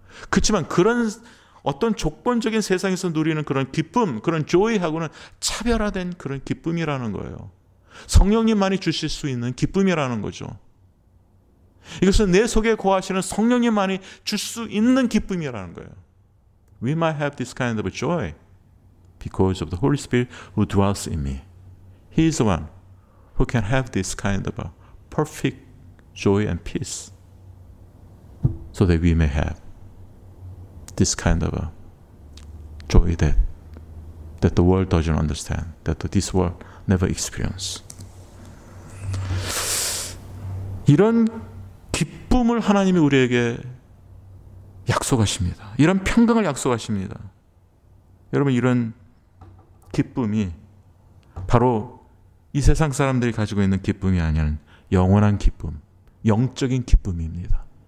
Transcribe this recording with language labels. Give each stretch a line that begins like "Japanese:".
Korean: 그렇지만 그런 어떤 조건적인 세상에서 누리는 그런 기쁨, 그런 조이하고는 차별화된 그런 기쁨이라는 거예요. 성령님만이 주실 수 있는 기쁨이라는 거죠. 이것은 내 속에 거하시는 성령님만이 줄 수 있는 기쁨이라는 거예요.
English: We might have this kind of joy because of the Holy Spirit who dwells in me. He is the one who can have this kind of a perfect joy and peace so that we may have this kind of a joy that the world doesn't understand, that this world never experienced.
Korean: 이런 기쁨을 하나님이 우리에게 약속하십니다. 이런 평강을 약속하십니다. 여러분, 이런 기쁨이 바로 이 세상 사람들이 가지고 있는 기쁨이 아닌 영원한 기쁨, 영적인 기쁨입니다.